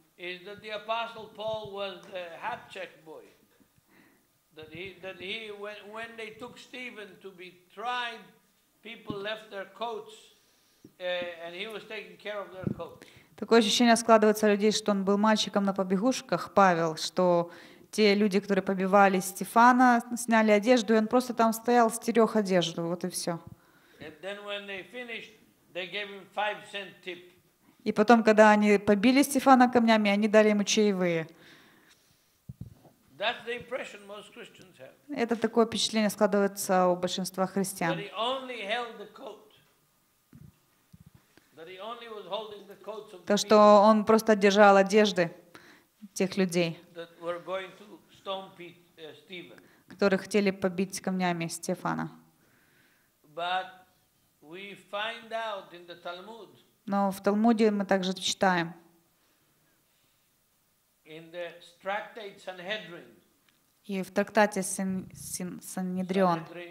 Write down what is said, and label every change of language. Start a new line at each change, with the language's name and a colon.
Russian: что апостол Павел был хат-чек-бой.
English: That he, when they took Stephen to be tried, people left their coats, and he was taking care of their coats.
Russian: Такое ощущение складывается у людей, что он был мальчиком на побегушках, Павел, что те люди, которые побивали Стефана, сняли одежду, и он просто там стоял, стерег одежду, вот и все.
English: And then when they finished, they gave him 5-cent tip.
Russian: И потом, когда они побили Стефана камнями, они дали ему чаевые.
English: That's the impression most Christians have.
Russian: Это такое впечатление складывается у большинства христиан.
English: That he only held the coat. That he only was holding the coats of.
Russian: То, что он просто держал одежды тех людей.
English: That were going to stone Stephen.
Russian: Которые хотели побить камнями Стефана.
English: But we find out in the Talmud.
Russian: Но в Талмуде мы также читаем.
English: In the Tractate Sanhedrin.
Russian: И в трактате Санхедрион.